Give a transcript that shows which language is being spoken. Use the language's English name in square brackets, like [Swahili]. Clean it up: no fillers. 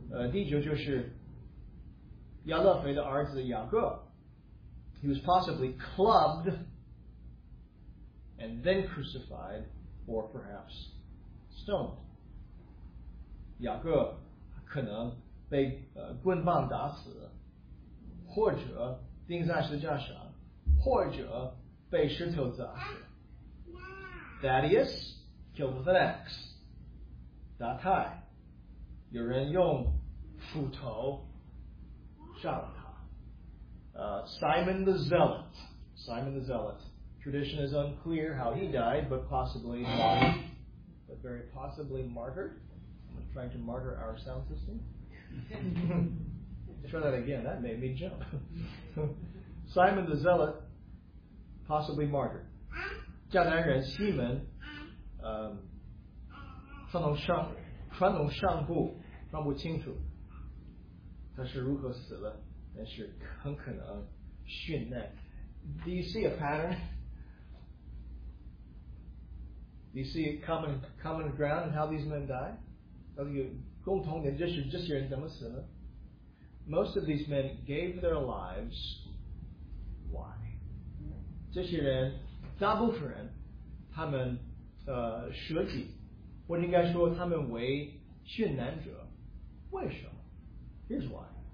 [Chinese] 第九就是亚勒腓的儿子雅各。 [English] He was possibly clubbed and then crucified or perhaps stoned. [Chinese] 雅各可能被棍棒打死，或者钉在十字架上，或者被石头砸死。 [English] Thaddeus killed with an axe. [Chinese] 打太，有人用斧头杀了他。 [English] Simon the Zealot. Tradition is unclear how he died, but possibly martyred. But very possibly martyred. I'm trying to martyr our sound system. Try that again, that made me jump. Simon the Zealot, possibly martyred. [Chinese] 迦南人西门传统上不清楚他是如何死的，但是很可能殉难。 [English] Do you see a pattern? Do you see common ground and how these men die? [Chinese] 共同的就是这些人怎么死呢? [English] Most of these men gave their lives. Why? [Chinese] 这些人大部分人他们舍己或者应该说他们为殉难者 [English] Here's why.